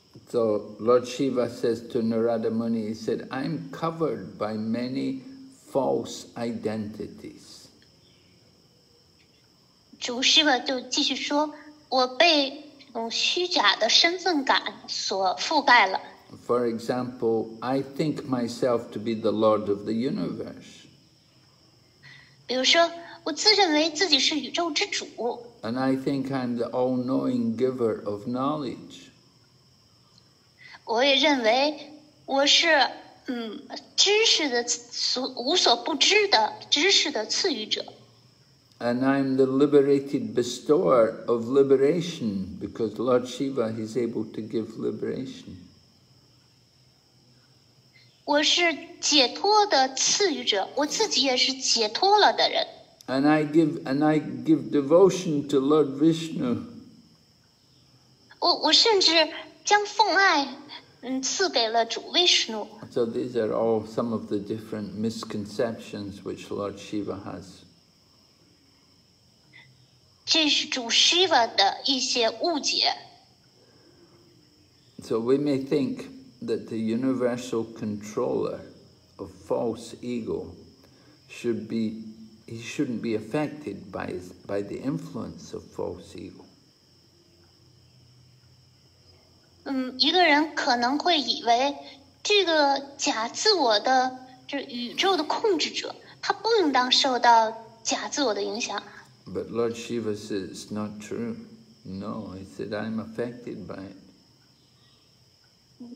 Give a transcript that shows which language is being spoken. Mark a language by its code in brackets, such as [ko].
[en] So Lord Shiva says to Narada Muni, he said, "I'm covered by many false identities." [zh] 主 Shiva 就继续说，我被虚假的身份感所覆盖了。 [en] For example, I think myself to be the Lord of the universe. [zh] 比如说，我自认为自己是宇宙之主。 [en] And I think I'm the all-knowing giver of knowledge. [zh] 我也认为我是知识的无所不知的知识的赐予者。 [en] And I'm the liberated bestower of liberation because Lord Shiva, he's able to give liberation. [zh] 我是解脱的赐予者，我自己也是解脱了的人。 [en] And I give devotion to Lord Vishnu. [zh] 我甚至将奉爱，赐给了主 Vishnu. [en] So these are all some of the different misconceptions which Lord Shiva has. [zh] 这是主 Shiva 的一些误解。 [en] So we may think that the universal controller of false ego should be. He shouldn't be affected by the influence of false ego. [zh] 一个人可能会以为这个假自我的这宇宙的控制者，他不应当受到假自我的影响。 [en] But Lord Shiva says it's not true. No, he said I'm affected by it.